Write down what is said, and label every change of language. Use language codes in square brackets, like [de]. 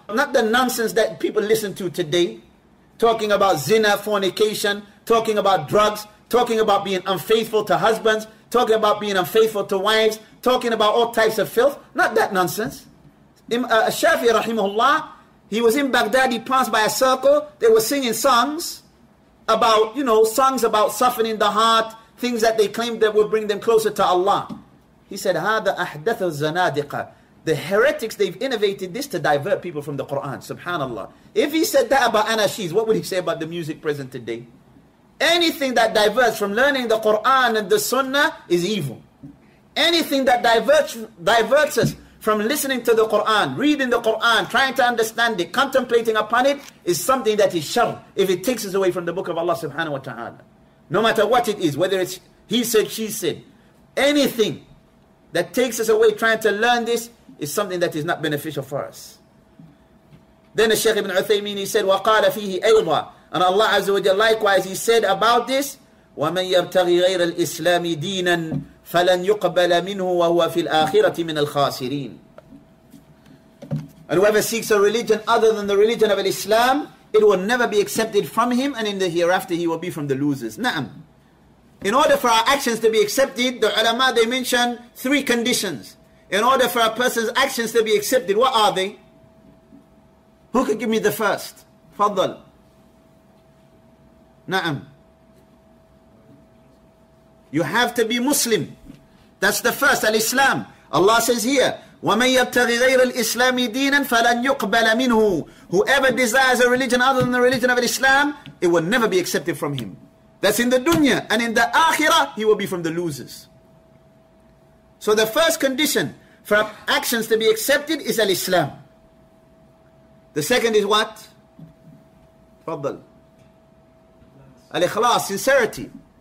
[en] Not the nonsense that people listen to today, talking about zina, fornication, talking about drugs, talking about being unfaithful to husbands, talking about being unfaithful to wives, talking about all types of filth. Not that nonsense. Shafi'i rahimahullah, he was in Baghdad, he passed by a circle, they were singing songs about, you know, songs about softening the heart, things that they claimed that would bring them closer to Allah. He said, [ar] هذا أحدث الزنادقة. [en] The heretics, they've innovated this to divert people from the Quran. Subhanallah. If he said that about anashis, what would he say about the music present today? Anything that diverts from learning the Quran and the Sunnah is evil. Anything that diverts us from listening to the Quran, reading the Quran, trying to understand it, contemplating upon it, is something that is shar, if it takes us away from the book of Allah subhanahu wa ta'ala. No matter what it is, whether it's he said, she said, anything that takes us away trying to learn this is something that is not beneficial for us. Then the Shaykh ibn Uthaymeen, he said, [ar] وَقَالَ فِيهِ أَيْضًا. [en] And Allah Azza wa Jalla, likewise, he said about this, [ar] وَمَنْ يَبْتَغِي غَيْرَ الْإِسْلَامِ دِينًا فَلَنْ يُقْبَلَ مِنْهُ وَهُوَ فِي الْآخِرَةِ مِنَ الْخَاسِرِينَ. [en] And whoever seeks a religion other than the religion of Islam, it will never be accepted from him, and in the hereafter he will be from the losers. Na'am. In order for our actions to be accepted, the ulama, they mention three conditions. In order for a person's actions to be accepted, what are they? Who could give me the first? Fadl. Na'am. You have to be Muslim. That's the first, al-Islam. Allah says here, [ar] وَمَنْ يَبْتَغِ غَيْرَ الْإِسْلَامِ دِينًا فَلَنْ يُقْبَلَ مِنْهُ. [en] Whoever desires a religion other than the religion of Islam, it will never be accepted from him. That's in the dunya. And in the akhirah, he will be from the losers. So the first condition for actions to be accepted is al-Islam. The second is what? Fadl. Al-Ikhlas, sincerity.